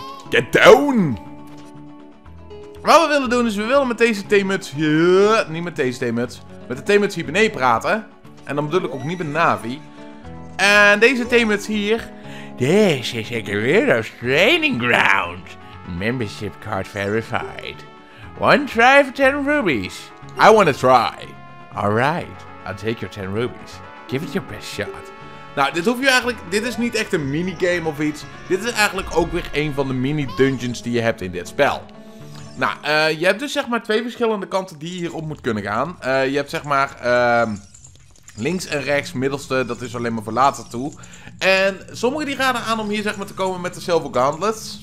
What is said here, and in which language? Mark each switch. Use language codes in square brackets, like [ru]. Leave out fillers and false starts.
[en] Get down! [nl] Wat we willen doen is, we willen met deze T-muts hier... Niet met deze T-muts. Met de T-muts hier beneden praten. En dan bedoel ik ook niet met Navi. En deze T-muts hier. [en] This is a Gerudo's training ground. Membership card verified. 1 try for 10 rubies. I want to try. Alright, I'll take your 10 rubies. Give it your best shot. [nl] Nou, dit hoef je eigenlijk. Dit is niet echt een minigame of iets. Dit is eigenlijk ook weer een van de mini dungeons die je hebt in dit spel. Nou, je hebt dus zeg maar 2 verschillende kanten die je hierop moet kunnen gaan. Je hebt zeg maar. Links en rechts, middelste, dat is alleen maar voor later toe. En sommigen die raden aan om hier zeg maar te komen met de Silver Gauntlet.